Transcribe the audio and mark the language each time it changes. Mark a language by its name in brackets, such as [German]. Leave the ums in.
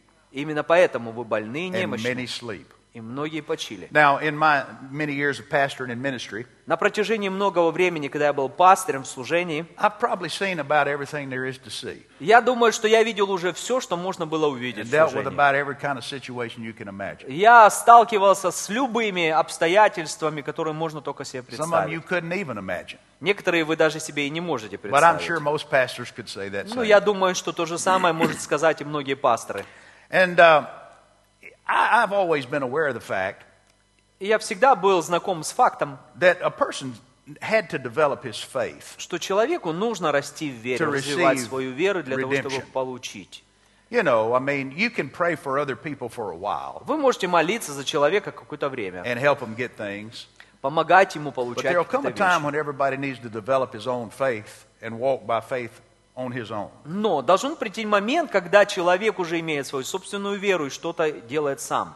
[Russian] Именно поэтому вы больны и немощны. И многие почили. [English] Now, in my many years of pastoring and ministry, [Russian] на протяжении многого времени, когда я был пастором в служении, [English] I've probably seen about everything there is to see. [Russian] я думаю, что я видел уже все, что можно было увидеть and в служении. [English] With about every kind of situation you can imagine. [Russian] Я сталкивался с любыми обстоятельствами, которые можно только себе представить. [English] Some of them you couldn't even imagine. [Russian] Некоторые вы даже себе и не можете представить. [English] But I'm sure most pastors could say that [Russian] ну, я думаю, что то же самое может сказать и многие пасторы. [English] And, uh, I, have always been aware of the fact [Russian] я всегда был знаком с фактом, [English] that a person had to develop his faith [Russian] что человеку нужно расти в вере, развивать свою веру для [English] redemption. [Russian] того, чтобы получить. [English] You know, I mean, you can pray for other people for a while. [Russian] Вы можете молиться за человека какое-то время. [English] And help them get things. [Russian] Помогать ему получать. [English] But there will come a time when everybody needs to develop his own faith and walk by faith [Russian] Но должен прийти момент, когда человек уже имеет свою собственную веру и что-то делает сам.